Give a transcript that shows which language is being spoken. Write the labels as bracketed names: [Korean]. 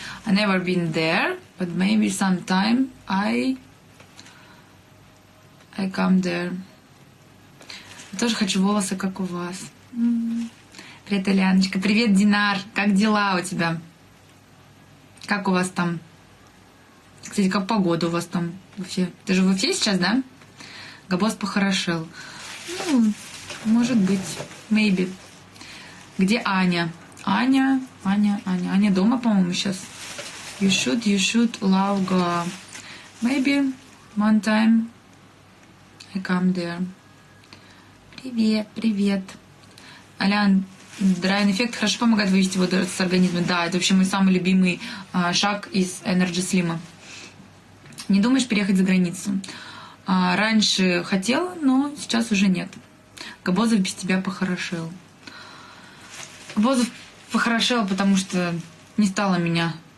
[English] I never been there, but maybe sometime I come there. [Russian] Я тоже хочу волосы, как у вас. Привет, Аляночка. Привет, Динар. Как дела у тебя? Как у вас там? Кстати, как погода у вас там в Уфе? Ты же в Уфе сейчас, да? Габос похорошел. Ну, может быть. [English] Maybe. [Russian] Где Аня? Аня. Аня дома, по-моему, сейчас. [English] You should love Goa. Maybe one time I come there. [Russian] Привет. Алян, Dryan Effect хорошо помогает вывести воду с организма. Да, это вообще мой самый любимый шаг из Energy Slim. Не думаешь переехать за границу? Раньше хотела, но сейчас уже нет. Габозов без тебя похорошел. Габозов похорошел, потому что не стало меня.